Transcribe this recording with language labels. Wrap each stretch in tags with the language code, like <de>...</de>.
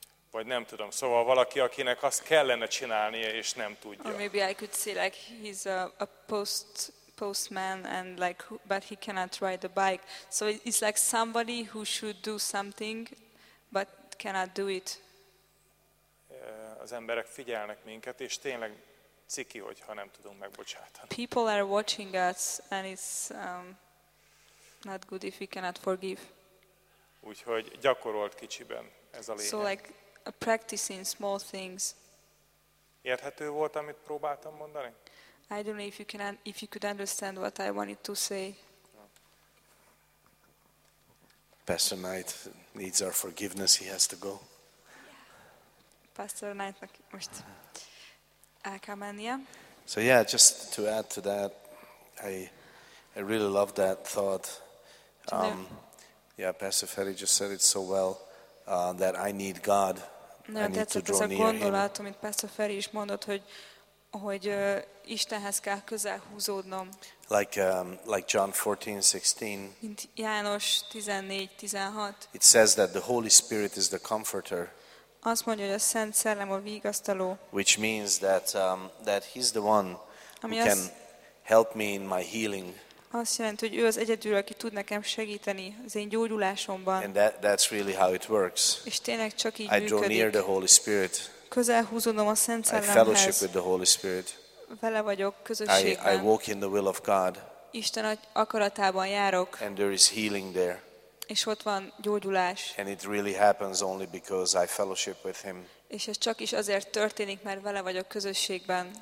<hu>Vagy nem tudom, szóval valaki, akinek azt kellene csinálnia, és nem tudja.</hu> <en>Or maybe I could say like he's a postman and like but he cannot ride a bike. So it's like somebody who should do something but cannot do it.</en> <hu>Az emberek figyelnek minket, és tényleg ciki, hogyha nem tudunk megbocsátani.</hu> <en>People are watching us and it's not good if we cannot forgive.</en> <hu>Úgyhogy gyakorolt kicsiben ez a lényeg.</hu> <en>So like a practicing small things.</en> <hu>Érthető volt, amit próbáltam mondani?</hu> <en>I don't know if you can if you could understand what I wanted to say. Pastor Knight needs our forgiveness. He has to go.</en> <hu>Pastor Knight, most el kell mennie.</hu> <en>So yeah, just to add to that, I really love that thought. Yeah, Pastor Feri just said it so well, that I need God.</en> <hu>Nagyon tetszett ez a gondolat, amit Pastor Feri is mondott, hogy Istenhez kell közel húzódnom.</hu> <en>Like John 14:16.</en> <hu>Mint János 14:16.</hu> <en>It says that the Holy Spirit is the comforter.</en> <hu>Azt mondja, hogy a Szent Szellem a vigasztaló.</hu> <en>Which means that that he's the one who can help me in my healing.</en> <hu>Azt jelenti, hogy ő az egyedül, aki tud nekem segíteni az én gyógyulásomban.</hu> <en>And that's really how it works.</en> <hu>És tényleg csak így</hu> <en>I draw</en> <hu>működik.</hu> <en>Near the Holy Spirit.</en> <hu>Közel húzódom a Szent Szellemhez.</hu> <en>I fellowship with the Holy Spirit.</en> <hu>Vele vagyok közösségben.</hu> <en>I walk in the will of God.</en> <hu>Isten akaratában járok.</hu> <en>And there is healing there.</en> <hu>És ott van gyógyulás.</hu> <en>And it really happens only because I fellowship with him.</en> <hu>És ez csak is azért történik, mert vele vagyok közösségben.</hu>